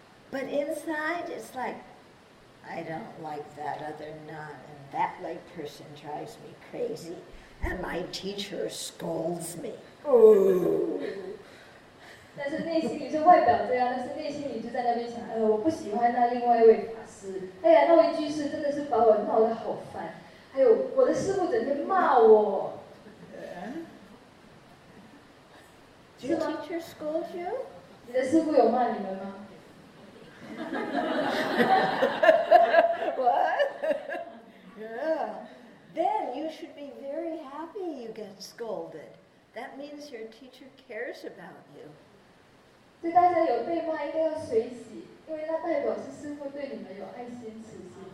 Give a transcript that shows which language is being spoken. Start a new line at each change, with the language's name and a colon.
English: But inside, it's like, I don't like that other nun, and that lay person drives me crazy, and my teacher scolds me. Ooh.
Chinese: 但是内心里是外表这样，但是内心里就在那边想，我不喜欢那另外一位。哎呀，那位居士真的是把我闹得好烦，还有我的师父整天骂我。
English: Do your teacher scold you?
Chinese: 你的师父有骂你们吗？
English: What? Yeah. Then you should be very happy you get scolded. That means your teacher cares about you.
Chinese: 所以大家有被骂，应该要随喜。因为那代表是师父对你们有爱心慈心。